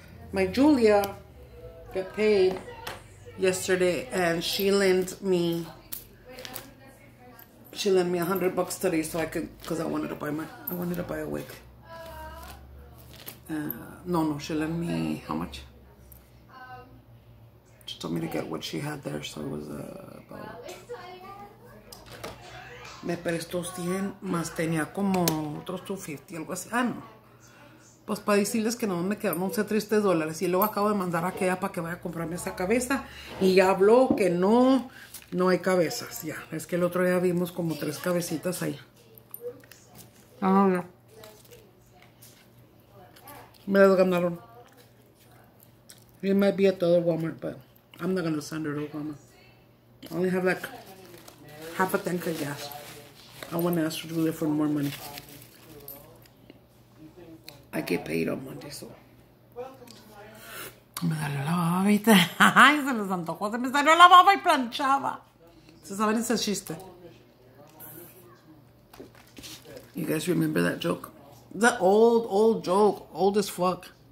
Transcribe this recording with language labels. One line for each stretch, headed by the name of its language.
English: My Julia got paid yesterday, and she lent me $100 today, so I could, because I wanted to buy my, a wig. No, she lent me how much? She told me to get what she had there, so it was about.
Spanish: Me prestó 100, más tenía como otros 250, algo así. Ah, no. Pues para decirles que no me quedaron 11 tristes dólares. Y luego acabo de mandar a Kea para que vaya a comprarme esa cabeza. Y ya habló que no, no hay cabezas. Ya, es que el otro día vimos como 3 cabecitas ahí. Ah, no. Me las ganaron.
English: It might be at other Walmart, but I'm not gonna send it to Walmart. I only have like half a tank of gas. I want to ask Julia for more money. I get paid on Monday, so.
Spanish: Me salió la baba, ¿viste? Ay, se les antojó. Se me salió la baba y planchaba. ¿Se saben ese chiste?
English: You guys remember that joke? The old, old joke. Old as fuck.